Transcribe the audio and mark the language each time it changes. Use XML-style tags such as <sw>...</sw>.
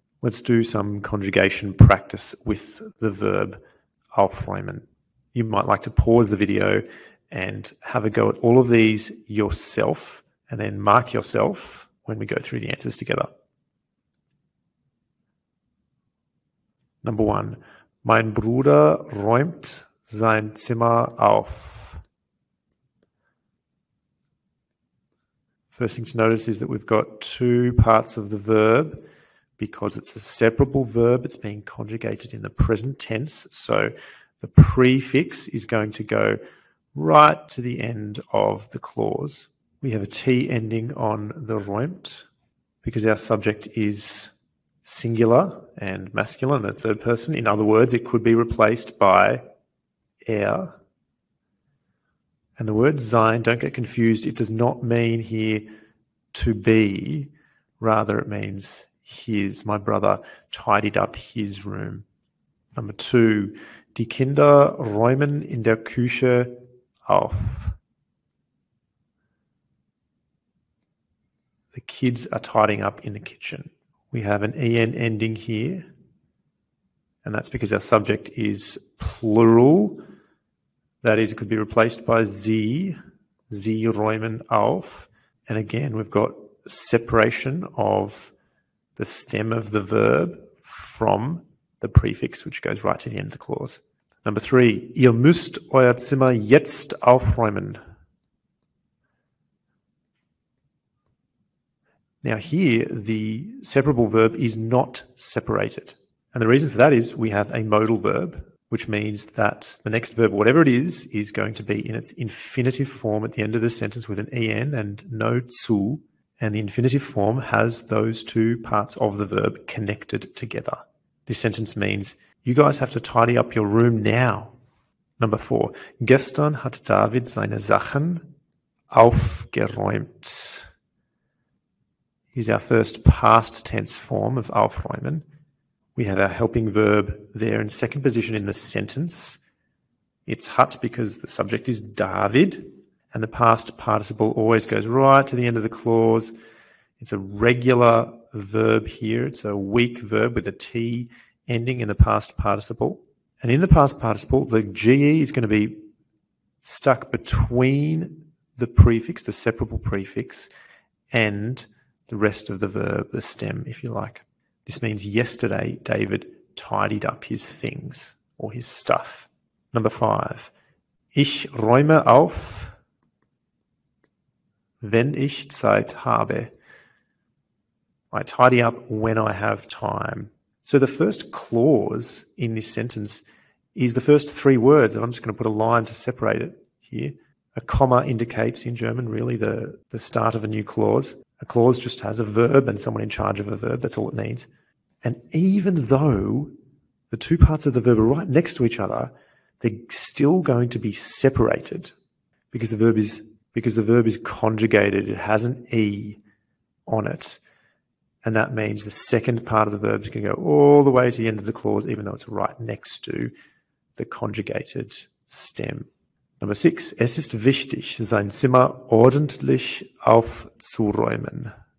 <en>Let's do some conjugation practice with the verb aufräumen. You might like to pause the video and have a go at all of these yourself and then mark yourself when we go through the answers together. Number one,</en> <de>mein Bruder räumt sein Zimmer auf.</de> <en>First thing to notice is that we've got two parts of the verb. Because it's a separable verb, it's being conjugated in the present tense. So the prefix is going to go right to the end of the clause. We have a T ending on the räumt because our subject is singular and masculine, the third person. In other words, it could be replaced by er. And the word sein, don't get confused, it does not mean here to be. Rather, it means his, my brother tidied up his room. Number two,</en> <de>die Kinder räumen in der Küche auf.</de> <en>The kids are tidying up in the kitchen. We have an en ending here, and that's because our subject is plural. That is, it could be replaced by</en> <de>sie, sie räumen auf.</de> <en>And again, we've got separation of the stem of the verb from the prefix, which goes right to the end of the clause. Number three,</en> <de>ihr müsst euer Zimmer jetzt aufräumen.</de> <en>Now here, the separable verb is not separated. And the reason for that is we have a modal verb, which means that the next verb, whatever it is going to be in its infinitive form at the end of the sentence with an en and no zu. And the infinitive form has those two parts of the verb connected together. This sentence means, you guys have to tidy up your room now. Number four,</en> <de>gestern hat David seine Sachen aufgeräumt.</de> <en>Here's our first past tense form of aufräumen. We have our helping verb there in second position in the sentence. It's hat because the subject is David, and the past participle always goes right to the end of the clause. It's a regular verb here. It's a weak verb with a T ending in the past participle. And in the past participle, the GE is going to be stuck between the prefix, the separable prefix, and the rest of the verb, the stem, if you like. This means yesterday, David tidied up his things or his stuff. Number five,</en> <de>ich räume auf, wenn ich Zeit habe.</de> <en>I tidy up when I have time. So the first clause in this sentence is the first three words, and I'm just going to put a line to separate it here. A comma indicates in German really the start of a new clause. A clause just has a verb and someone in charge of a verb. That's all it needs. And even though the two parts of the verb are right next to each other, they're still going to be separated because the verb is conjugated. It has an E on it. And that means the second part of the verb is going to go all the way to the end of the clause, even though it's right next to the conjugated stem. Number six,</en> <de>es ist wichtig, sein Zimmer ordentlich aufzuräumen.</de>